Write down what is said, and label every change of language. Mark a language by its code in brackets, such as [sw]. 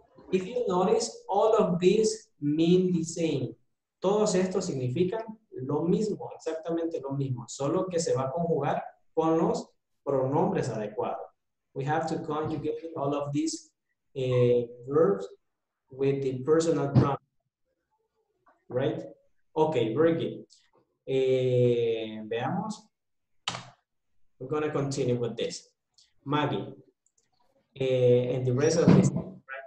[en] If you notice, all of these mean the same. [es] Todos estos significan lo mismo, exactamente lo mismo, solo que se va a conjugar con los pronombres adecuados. [en] We have to conjugate all of these verbs with the personal pronoun. Right? Okay, very good. [es] Veamos. [en] We're going to continue with this. Maggie, and the rest of this, right?